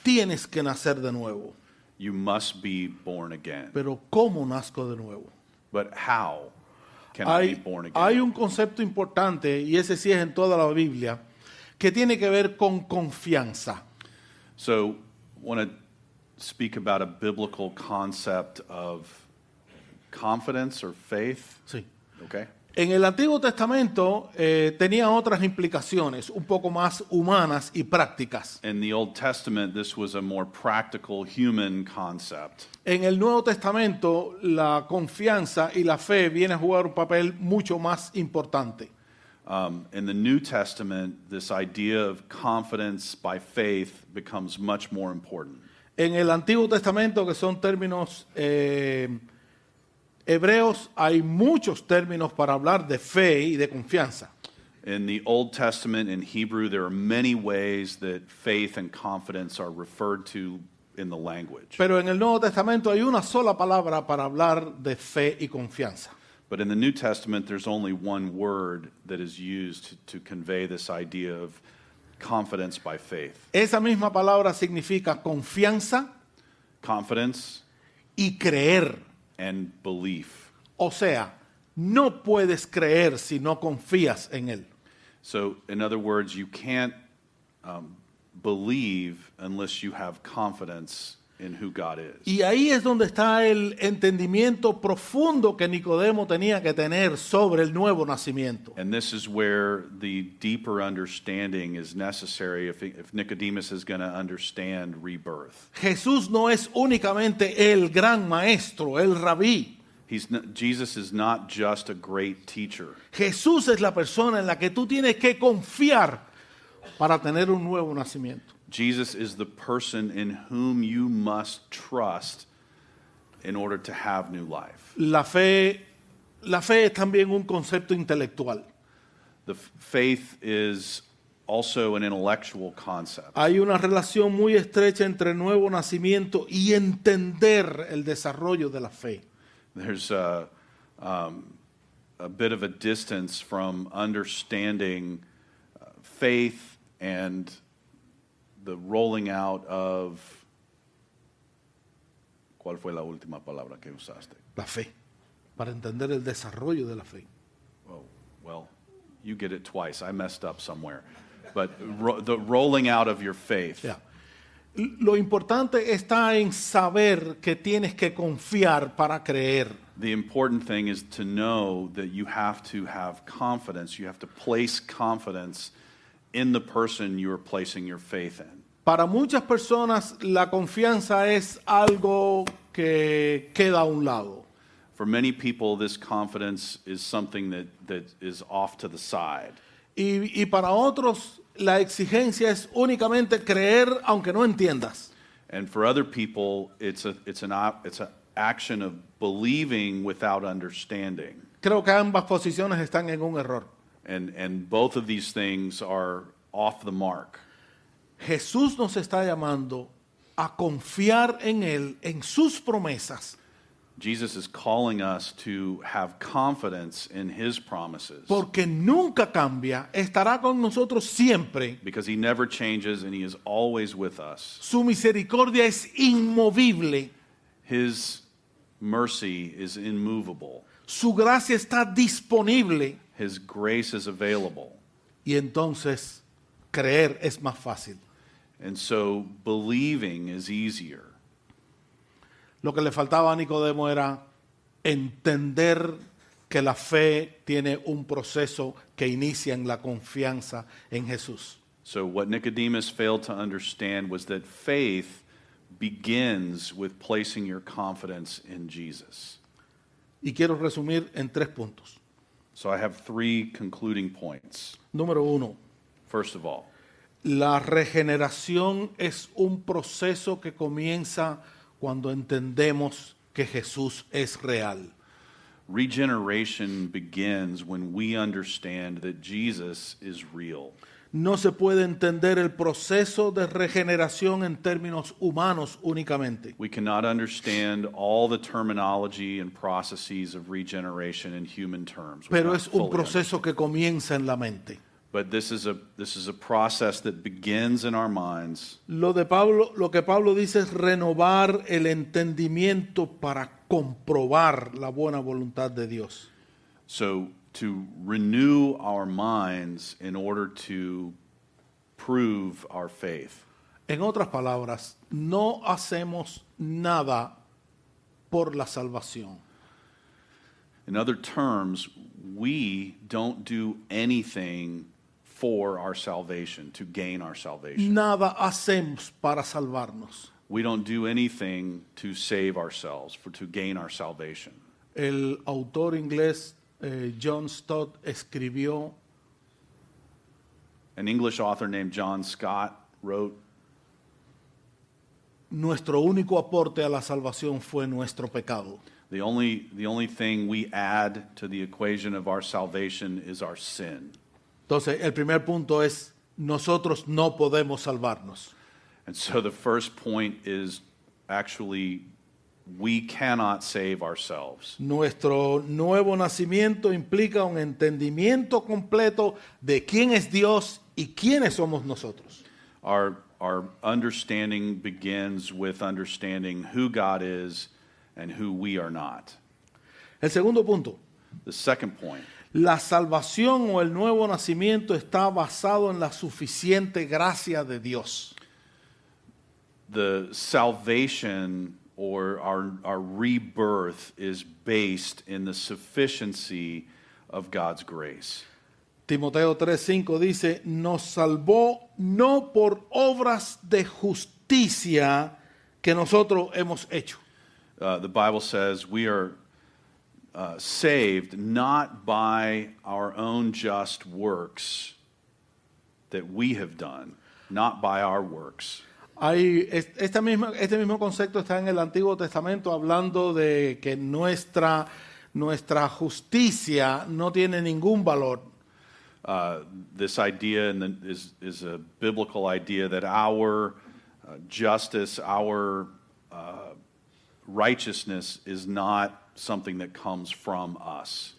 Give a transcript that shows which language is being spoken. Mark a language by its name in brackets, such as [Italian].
[Spanish] Tienes que nacer de nuevo. [English] You must be born again. [Spanish] Pero ¿cómo nazco de nuevo? [English] But how can I be born again? [Spanish] Hay un concepto importante, y ese sí es en toda la Biblia, que tiene que ver con confianza. [English] So, want to speak about a biblical concept of confidence or faith? [Spanish] Sí. [English] Okay. [Spanish] En el Antiguo Testamento tenía otras implicaciones, un poco más humanas y prácticas. [English] In the Old Testament, this was a more practical human concept. [Spanish] En el Nuevo Testamento, la confianza y la fe viene a jugar un papel mucho más importante. [English] In the New Testament, this idea of confidence by faith becomes much more important. [Spanish] En el Antiguo Testamento, que son términos hebreos, hay muchos términos para hablar de fe y de confianza. [English] In the Old Testament, in Hebrew, there are many ways that faith and confidence are referred to in the language. [Spanish] Pero en el Nuevo Testamento hay una sola palabra para hablar de fe y confianza. [English] But in the New Testament, there's only one word that is used to convey this idea of confidence by faith. [Spanish] Esa misma palabra significa confianza, [English] confidence, [Spanish] y creer, [English] and belief. [Spanish] O sea, no puedes creer si no confías en él. [English] So, in other words, you can't believe unless you have confidence in who God is. [Spanish] Y ahí es donde está el entendimiento profundo que Nicodemo tenía que tener sobre el nuevo nacimiento. [English] And this is where the deeper understanding is necessary if Nicodemus is going to understand rebirth. [Spanish] Jesús no es únicamente el gran maestro, el rabí. [English] Jesus is not just a great teacher. [Spanish] Jesús es la persona en la que tú tienes que confiar para tener un nuevo nacimiento. [English] Jesus is the person in whom you must trust in order to have new life. [Spanish] La fe es también un concepto intelectual. [English] The faith is also an intellectual concept. [Spanish] Hay una relación muy estrecha entre nuevo nacimiento y entender el desarrollo de la fe. [English] There's a bit of a distance from understanding faith and the rolling out of. [Spanish] ¿Cuál fue la última palabra que usaste? La fe. Para entender el desarrollo de la fe. [English] Oh, well, you get it twice. I messed up somewhere. But the rolling out of your faith. Yeah. [Spanish] Lo importante está en saber que tienes que confiar para creer. [English] The important thing is to know that you have to have confidence. You have to place confidence in the person you are placing your faith in. [Spanish] Para muchas personas, la confianza es algo que queda a un lado. [English] For many people, this confidence is something that is off to the side. [Spanish] Y para otros, la exigencia es únicamente creer aunque no entiendas. [English] And for other people, it's an action of believing without understanding. [Spanish] Creo que ambas posiciones están en un error. [English] And both of these things are off the mark. [Spanish] Jesús nos está llamando a confiar en Él, en sus promesas. [English] Jesus is calling us to have confidence in his promises. [Spanish] Porque nunca cambia, estará con nosotros siempre. [English] Because he never changes and he is always with us. [Spanish] Su misericordia es inmovible. [English] His mercy is immovable. [Spanish] Su gracia está disponible. [English] His grace is available. [Spanish] Y entonces, creer es más fácil. [English] And so believing is easier. [Spanish] Lo que le faltaba a Nicodemo era entender que la fe tiene un proceso que inicia en la confianza en Jesús. [English] So what Nicodemus failed to understand was that faith begins with placing your confidence in Jesus. [Spanish] Y quiero resumir en tres puntos. [English] So I have three concluding points. [Spanish] Número uno. [English] First of all. [Spanish] La regeneración es un proceso que comienza cuando entendemos que Jesús es real. [English] Regeneration begins when we understand that Jesus is real. [Spanish] No se puede entender el proceso de regeneración en términos humanos únicamente. [English] We cannot understand all the terminology and processes of regeneration in human terms. [Spanish] Pero es un proceso que comienza en la mente. [English] But this is a process that begins in our minds. [Spanish] Lo que Pablo dice es renovar el entendimiento para comprobar la buena voluntad de Dios. [English] So to renew our minds in order to prove our faith. [Spanish] En otras palabras, no hacemos nada por la salvación. [English] In other terms, we don't do anything for our salvation, to gain our salvation. [Spanish] Nada hacemos para salvarnos. [English] We don't do anything to save ourselves, for to gain our salvation. [Spanish] El autor inglés, John Stott, escribió. [English] An English author named John Scott wrote. [Spanish] Nuestro único aporte a la salvación fue nuestro pecado. [English] The only thing we add to the equation of our salvation is our sin. [Spanish] Entonces, el primer punto es, nosotros no podemos salvarnos. [English] And so the first point is, actually, we cannot save ourselves. [Spanish] Nuestro nuevo nacimiento implica un entendimiento completo de quién es Dios y quiénes somos nosotros. [English] Our understanding begins with understanding who God is and who we are not. [Spanish] El segundo punto. [English] The second point. [Spanish] La salvación o el nuevo nacimiento está basado en la suficiente gracia de Dios. [English] The salvation or our rebirth is based in the sufficiency of God's grace. [Spanish] Timoteo 3:5 dice, nos salvó no por obras de justicia que nosotros hemos hecho. [English] The Bible says we are saved not by our own just works that we have done, not by our works. [Spanish] Este mismo concepto está en el Antiguo Testamento hablando de que nuestra justicia no tiene ningún valor. [English] This idea is a biblical idea that our justice, our righteousness is not something that comes from us.